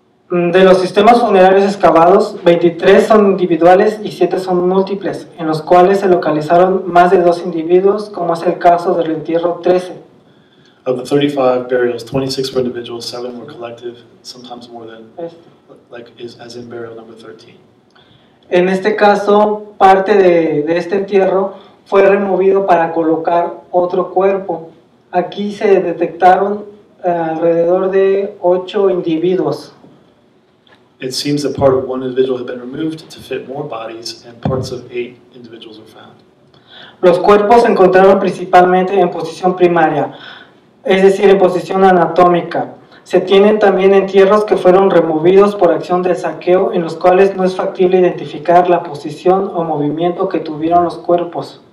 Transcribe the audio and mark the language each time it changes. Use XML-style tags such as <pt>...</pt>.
<es>De los sistemas funerarios excavados, 23 son individuales y 7 son múltiples, en los cuales se localizaron más de 2 individuos, como es el caso del entierro 13.</es> <en>Of the 35 burials, 26 were individual, 7 were collective, sometimes more than, as in burial number 13.</en> <es>En este caso, parte de este entierro fue removido para colocar otro cuerpo. Aquí se detectaron alrededor de 8 individuos.</es> <en>It seems that part of one individual had been removed to fit more bodies, and parts of 8 individuals were found.</en> <es>Los cuerpos se encontraron principalmente en posición primaria, es decir, en posición anatómica. Se tienen también entierros que fueron removidos por acción de saqueo, en los cuales no es factible identificar la posición o movimiento que tuvieron los cuerpos.</es>